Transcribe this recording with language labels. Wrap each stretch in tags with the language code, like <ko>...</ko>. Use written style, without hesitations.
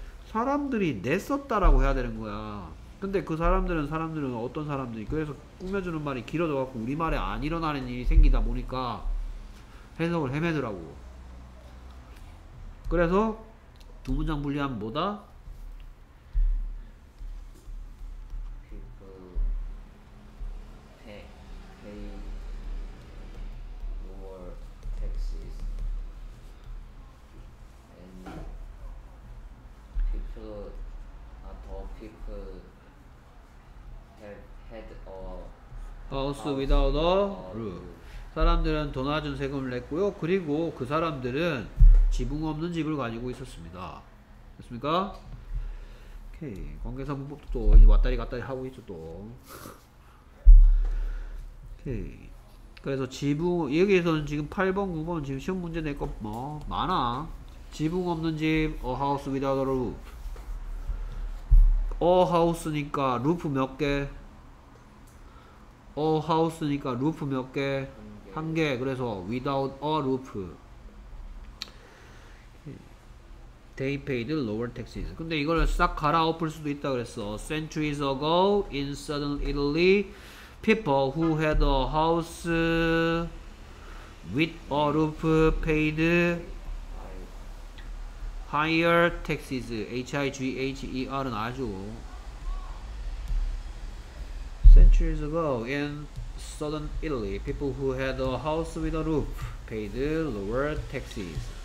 <ko>사람들이 냈었다라고 해야 되는 거야. 근데 그 사람들은 어떤 사람들이, 그래서 꾸며주는 말이 길어져갖고 우리말에 안 일어나는 일이 생기다 보니까 해석을 헤매더라고. 그래서 두 문장 분리하면 뭐다?</ko> <en>People pay lower taxes and people had a house without a roof.</en> <ko>사람들은 더 낮은 세금을 냈고요. 그리고 그 사람들은 지붕 없는 집을 가지고 있었습니다. 됐습니까? 오케이. 관계사 문법도 또 이제 왔다리 갔다리 하고 있죠 또. 오케이. 그래서 지붕 여기에서는 지금 8번 9번 지금 시험 문제 낼 거 뭐 많아. 지붕 없는 집,</ko> <en>a house without a roof.</en> <ko>a house니까 루프 몇 개? 어 하우스니까 루프 몇 개? 한 개.</ko> <en>그래서 without a roof. They paid lower taxes.</en> <ko>근데 이거를 싹 갈아엎을 수도 있다 그랬어.</ko> <en>Centuries ago in southern Italy, people who had a house with a roof paid higher taxes. H-I-G-H-E-R은 아주 Centuries ago in southern Italy, people who had a house with a roof paid lower taxes.</en>